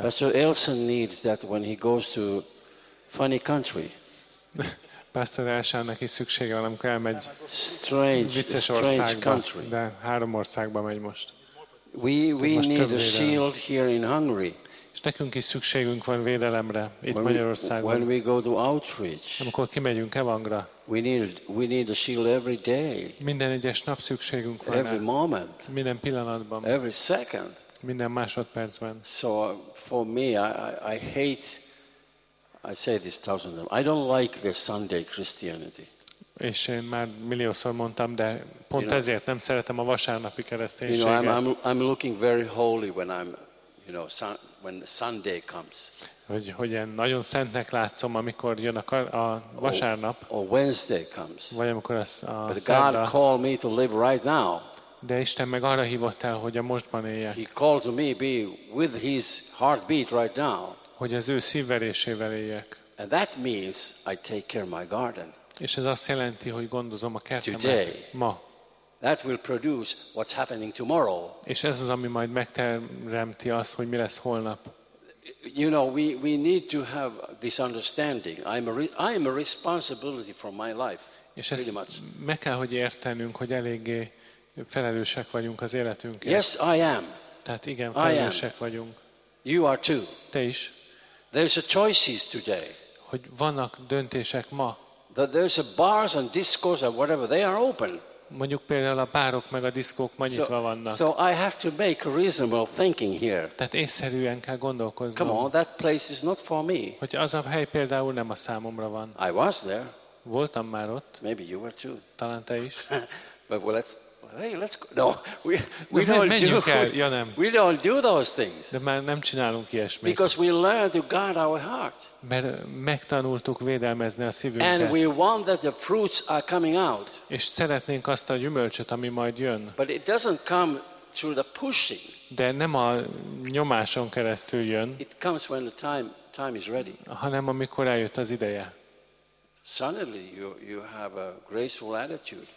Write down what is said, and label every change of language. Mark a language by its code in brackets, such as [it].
[en] Pastor Elson needs that when he goes to funny country. [hu] Pastor Elsonnak is szüksége van, amikor elmegy [en] strange, [hu] vicces országba. De három országba megy most. [en] We most need a shield here in Hungary. [hu] És nekünk is szükségünk van védelemre itt [en] when [hu] Magyarországon. [en] When we go to outreach. [hu] Amikor kimegyünk evangra. [en] We need a shield every day. [hu] Minden egyes nap szükségünk van. [en] Every moment. [hu] Minden pillanatban. [en] Every second. [hu] Minden másodpercben. [en] So for me, I hate. I say this thousand times. I don't like the Sunday Christianity. [hu] És én már milliószor mondtam, de pont ezért nem szeretem a vasárnapi kereszténységet. [en] You know, I'm looking very holy when I'm, you know, when Sunday comes. [hu] Hogy én nagyon szentnek látszom, amikor jön a vasárnap. [en] Or Wednesday comes. [hu] Vagy amikor az a szerda. [en] But God called me to live right now. [hu] De Isten meg arra hívott el, hogy a mostban éljek. [en] He called me to be with His heartbeat right now. [hu] Hogy az ő szívverésével éljek. [en] And that means I take care of my garden. [hu] És ez azt jelenti, hogy gondozom a kertemet ma. [en] That will produce what's happening tomorrow. [hu] És ez az, ami majd megteremti azt, hogy mi lesz holnap. [en] You know, we need to have this understanding. I am a responsibility for my life. [hu] És ezt [en] pretty much. [hu] Meg kell, hogy értenünk, hogy eléggé felelősek vagyunk az életünkért. [en] Yes, I am. [hu] Tehát igen, felelősek vagyunk. [en] You are too. [hu] Te is. [en] There's a choices today. [hu] Hogy vannak döntések ma. [en] That there's a bars and discos or whatever, they are open. [hu] Mondjuk például a bárok meg a diszkók ma nyitva vannak. [en] So I have to make a reasonable thinking here. [hu] Tehát észszerűen kell gondolkoznom. [en] Come on, that place is not for me. [hu] Hogy az a hely például nem a számomra van. [en] I was there. [hu] Voltam már ott. [en] Maybe you were too. [hu] Talán te is. [en] But well, let's. Hey, let's go. No, we don't do. [hu] Ja, nem. [en] We don't do those things. [hu] De már nem csinálunk ilyesmit. [en] Because we learned to guard our heart. [hu] Mert megtanultuk védelmezni a szívünket. [en] And we want that the fruits are coming out. [hu] És szeretnénk azt a gyümölcsöt, ami majd jön. [en] But it doesn't come through the pushing. [hu] De nem a nyomáson keresztül jön. [en] It comes when the time is ready. [hu] Hanem amikor eljött az ideje. [en] Suddenly you have a graceful attitude.